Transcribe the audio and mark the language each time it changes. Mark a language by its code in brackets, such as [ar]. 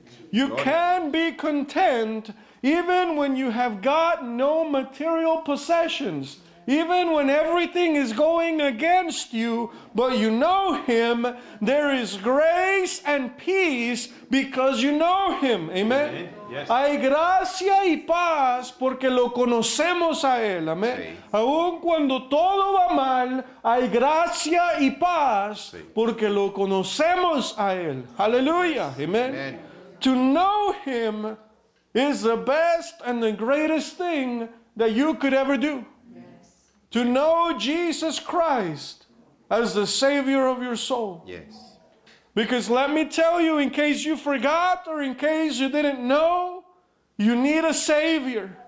[en] You can be content even when you have got no material possessions, even when everything is going against you, but you know Him, there is grace and peace because you know Him. Amen. [es] Hay gracia y paz porque lo conocemos a Él. Amén. Aun cuando todo va mal, hay gracia y paz porque lo conocemos a Él. Aleluya. Amen. [en] To know Him is the best and the greatest thing that you could ever do. Yes. To know Jesus Christ as the Savior of your soul. Yes. Because let me tell you, in case you forgot or in case you didn't know, you need a Savior.